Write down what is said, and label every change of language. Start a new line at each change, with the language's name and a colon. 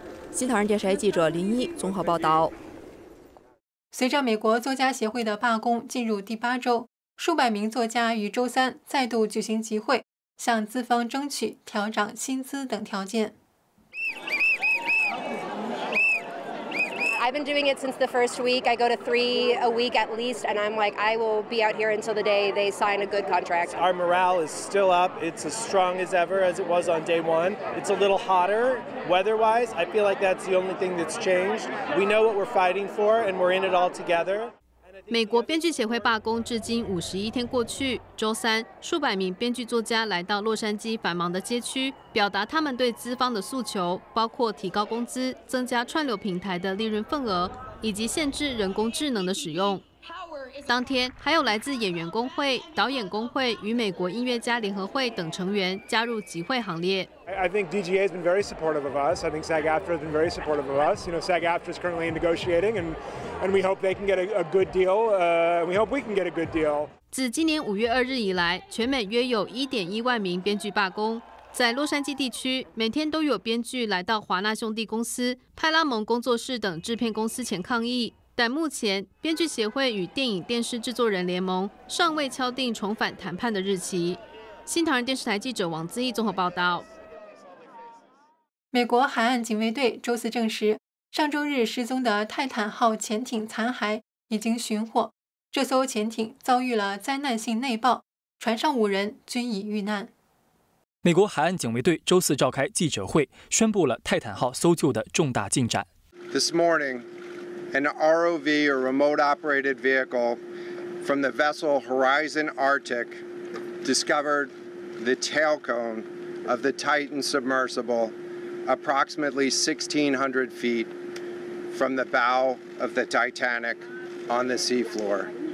Chinese: 新唐人电视台记者林一综合报道。随着美国作家协会的罢工进入第八周，数百名作家于周三再度举行集会，向资方争取调涨薪资等条件。
English: I've been doing it since the first week. I go to 3 a week at least, and I'm like, I will be out here until the day they sign a good contract. Our morale is still up. It's as strong as ever as it was on day one. It's a little hotter weather-wise. I feel like that's the only thing that's changed. We know what we're fighting for, and we're in it all together.
Chinese: 美国编剧协会罢工至今51天过去，周三，数百名编剧作家来到洛杉矶繁忙的街区，表达他们对资方的诉求，包括提高工资、增加串流平台的利润份额，以及限制人工智能的使用。当天，还有来自演员工会、导演工会与美国音乐家联合会等成员加入集会行列。
English: I think DGA has been very supportive of us. I think SAG-AFTRA has been very supportive of us. You know, SAG-AFTRA is currently negotiating, and we hope they can get a good deal. We hope we can get a good deal.
Chinese: 自今年5月2日以来，全美约有1.1万名编剧罢工。在洛杉矶地区，每天都有编剧来到华纳兄弟公司、派拉蒙工作室等制片公司前抗议。但目前，编剧协会与电影电视制作人联盟尚未敲定重返谈判的日期。新唐人电视台记者王自义综合报道。美国海岸警卫队周四证实，上周日失踪的泰坦号潜艇残骸已经寻获。这艘潜艇遭遇了灾难性内爆，船上5人均已遇难。美国海岸警卫队周四召开记者会，宣布了泰坦号搜救的重大进展。
English: This morning, an ROV, a remote operated vehicle, from the vessel Horizon Arctic, discovered the tail cone of the Titan submersible, approximately 1,600 feet from the bow of the Titanic on the seafloor.